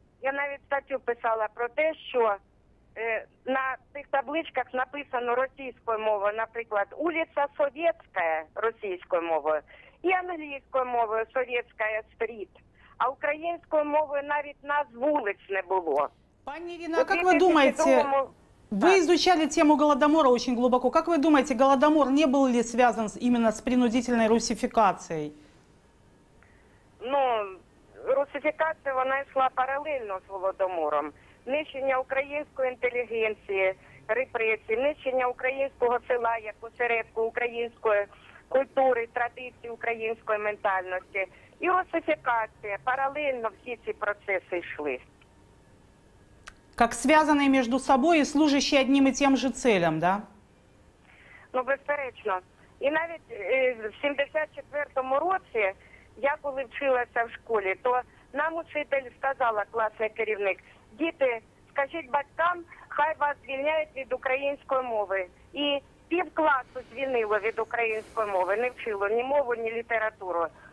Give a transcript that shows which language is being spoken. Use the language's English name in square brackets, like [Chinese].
[Ukrainian] Я навіть статтю писала про те, що на цих табличках написано російською мовою, наприклад, вулиця Совєтська російською мовою, і англійською мовою Совєтська стріт, а українською мовою навіть назв вулиць не було. Пані Ірино, а як ви думаєте... [Russian] Вы изучали тему Голодомора очень глубоко. Как вы думаете, Голодомор не был ли связан именно с принудительной русификацией? Ну, русификация, она шла параллельно с Голодомором. [Ukrainian] Нищення української інтелігенції, репресії, нищення українського села, як осередку української культури, традиції, української ментальності. І русифікація, параллельно всі ці процеси йшли. [Russian] Как связанные между собой и служащие одним и тем же целям, да? [Ukrainian] Ну, безперечно. И навіть в 74-му році, я коли вчилася в школі, то нам учитель сказала, класний керівник, діти, скажіть батькам, хай вас звільняють від української мови. І пів класу звільнило від української мови, не вчило ні мову, ні літературу.